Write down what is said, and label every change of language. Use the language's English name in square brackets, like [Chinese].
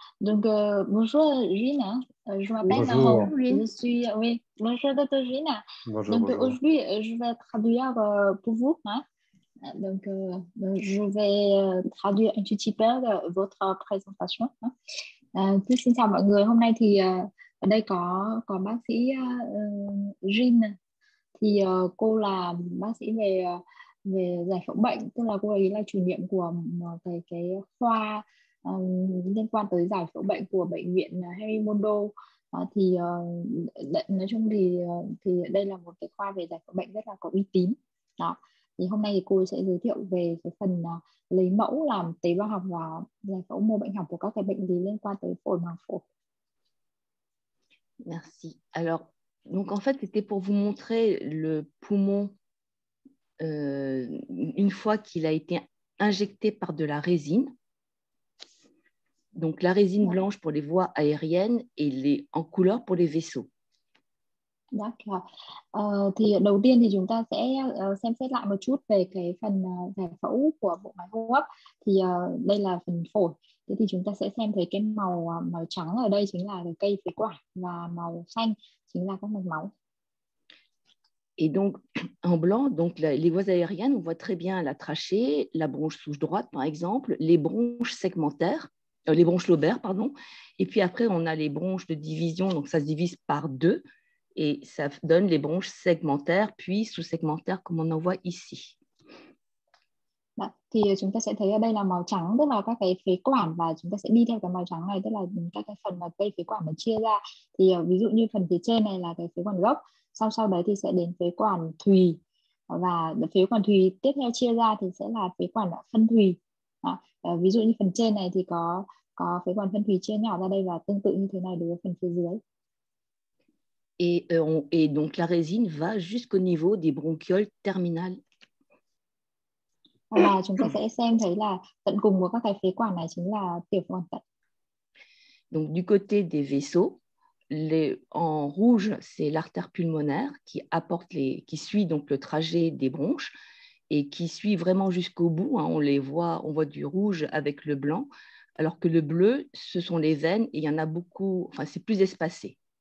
[French] Donc, bonjour, Gina. Je m'appelle Marion. Bonjour. Je suis, oui, bonjour, docteur Gina. Bonjour, Donc, bonjour. aujourd'hui, je vais traduire pour vous, hein. Donc, je vais traduire un petit peu votre présentation, hein. Tout sincèrement, [Vietnamese] mọi người, hôm nay thì đây có bác sĩ Jean. Thì cô là bác sĩ về về giải phẫu bệnh, tức là cô ấy là chủ nhiệm của một cái khoa liên quan tới giải phẫu bệnh của bệnh viện Henri Mondo. Thì nói chung thì đây là một cái khoa về giải phẫu bệnh rất là có uy tín. Đó. Thì hôm nay thì cô sẽ giới thiệu về cái phần lấy mẫu làm tế bào học và giải phẫu mô bệnh học của các cái bệnh lý liên quan tới phổi màng phổi. [French] Merci. Alors, donc en fait, c'était pour vous montrer le poumon une fois qu'il a été injecté par de la résine. Donc la résine blanche pour les voies aériennes et les en couleur pour les vaisseaux. [Vietnamese] Thì đầu tiên thì chúng ta sẽ xem xét lại một chút về cái phần giải phẫu của bộ máy hô hấp. Thì đây là phần phổi. Thế thì chúng ta sẽ xem thấy cái màu màu trắng ở đây chính là cây phế quản và màu xanh chính là các mạch máu. [French] Et donc, en blanc, donc les voies aériennes, on voit très bien la trachée, la bronche souche droite, par exemple, les bronches segmentaires, les bronches lobaires, pardon. Et puis après, on a les bronches de division, donc ça se divise par deux, et ça donne les bronches segmentaires, puis sous-segmentaires, comme on en voit ici. [Vietnamese] Thì chúng ta sẽ thấy ở đây là màu trắng, tức là các cái phế quản, và chúng ta sẽ đi theo cái màu trắng này, tức là các cái phần mà cây phế quản mà chia ra. Thì ví dụ như phần phía trên này là cái phế quản gốc, sau sau đấy thì sẽ đến phế quản thùy, và phế quản thùy tiếp theo chia ra thì sẽ là phế quản phân thùy. À, ví dụ như phần trên này thì có phế quản phân thùy chia nhỏ ra đây, và tương tự như thế này đối với phần phía dưới. [French] Et donc la résine va jusqu'au niveau des bronchioles terminales. [Vietnamese] Và chúng ta sẽ xem thấy là tận cùng của các cái phế quản này chính là tiểu quản tận. [French] Du côté des vaisseaux, en rouge, c'est l'artère pulmonaire qui suit donc le trajet des bronches et qui suit vraiment jusqu'au bout. Hein, on voit du rouge avec le blanc, alors que le bleu, ce sont les veines et il y en a beaucoup, enfin c'est plus espacé.